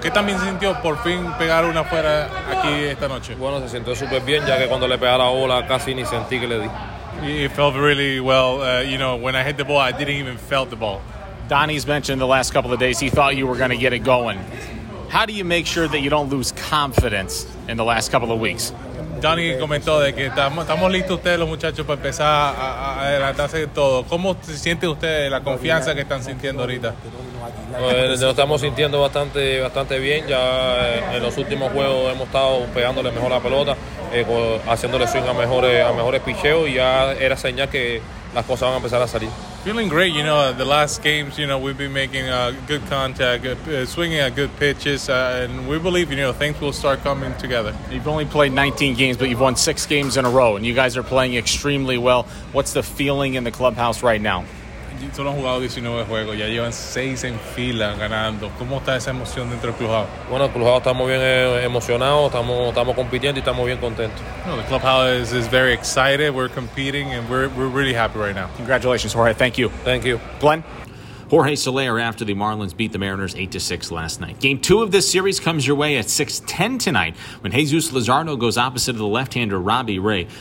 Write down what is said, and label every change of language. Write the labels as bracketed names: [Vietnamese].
[Spanish] ¿Qué también se sintió por fin pegar una fuera aquí esta noche? Bueno, se sintió súper bien, ya que cuando le pegaba la bola casi ni sentí que le di. [English] It felt really well. You know, when I hit the ball, I didn't even felt the ball. Donnie's mentioned the last couple of days he thought you were going to get it going. How do you make sure that you don't lose confidence in the last couple of weeks? [Spanish] Donnie comentó de que estamos listos ustedes los muchachos para empezar a adelantarse de todo. ¿Cómo se siente usted la confianza que están sintiendo ahorita? Lo estamos sintiendo bastante, bastante bien. Ya en los últimos juegos hemos estado pegándole mejor la pelota, haciéndole swing a mejores picheos, y ya era señal que las cosas van a empezar a salir. [English] Feeling great, you know, the last games, you know, we've been making good contact, swinging at good pitches, and we believe, you know, things will start coming together. You've only played 19 games, but you've won 6 games in a row, and you guys are playing extremely well. What's the feeling in the clubhouse right now? [Spanish] Solo han jugado 19 juegos, ya llevan 6 en fila ganando. ¿Cómo está esa emoción dentro del clubhouse? Bueno, el clubhouse está muy bien emocionado, estamos compitiendo y estamos bien contentos. [English] No, the clubhouse is very excited, we're competing, and we're really happy right now. Congratulations, Jorge, thank you. Thank you. Glenn? Jorge Soler after the Marlins beat the Mariners 8-6 last night. Game 2 of this series comes your way at 6:10 tonight when Jesus Luzardo goes opposite of the left-hander Robbie Ray.